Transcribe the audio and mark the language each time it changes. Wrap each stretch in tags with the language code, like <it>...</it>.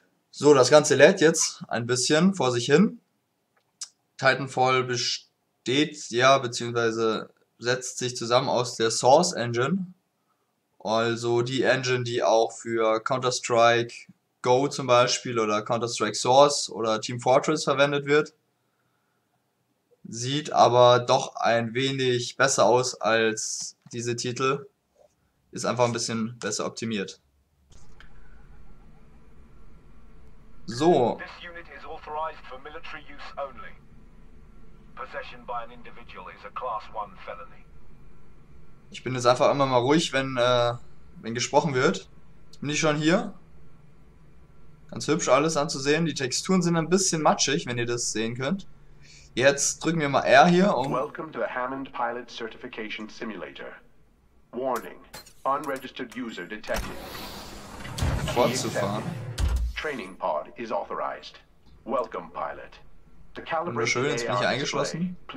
<de>So, das Ganze lädt jetzt ein bisschen vor sich hin. Titanfall besteht, ja, beziehungsweise setzt sich zusammen aus der Source Engine, also die Engine, die auch für Counter-Strike Go zum Beispiel oder Counter-Strike Source oder Team Fortress verwendet wird. Sieht aber doch ein wenig besser aus als diese Titel. Ist einfach ein bisschen besser optimiert. So.</de> <en>This unit is authorized for military use only. Possession by an individual is a class 1 felony.</en> <de>Ich bin jetzt einfach immer mal ruhig, wenn gesprochen wird. Jetzt bin ich schon hier. Ganz hübsch alles anzusehen. Die Texturen sind ein bisschen matschig, wenn ihr das sehen könnt. Jetzt drücken wir mal R hier um.</de> <en>Welcome to the Hammond Pilot Certification Simulator. Warning. Unregistered user detected.</en> <de>Fortzufahren.</de> <en>Training pod is authorized. Welcome, Pilot.</en> <de>Wunderschön, jetzt bin ich eingeschlossen.</de>